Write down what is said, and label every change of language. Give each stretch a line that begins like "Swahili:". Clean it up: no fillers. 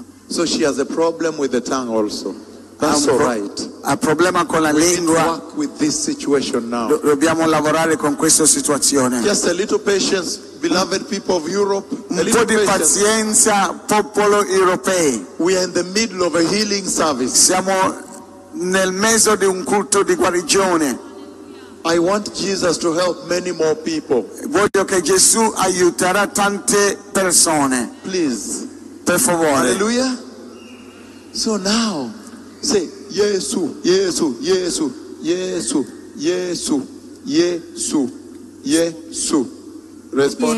English: So she has a problem with the tongue also. That's all right.
Italian: Ha problema con la lingua.
English: We need to work with this situation now.
Italian: Dobbiamo lavorare con questa situazione.
English: Just a little patience, beloved people of Europe.
Italian: Un po' di pazienza, popolo europeo.
English: We are in the middle of a healing service.
Italian: Siamo nel mezzo di un culto di guarigione.
English: I want Jesus to help many more people.
Italian: Voglio che Gesù aiuterà tante persone.
English: Please.
Italian: Per favore.
English: Hallelujah. So now, say, Yesu, Yesu, Yesu, Yesu, Yesu, Yesu, Yesu. Respond.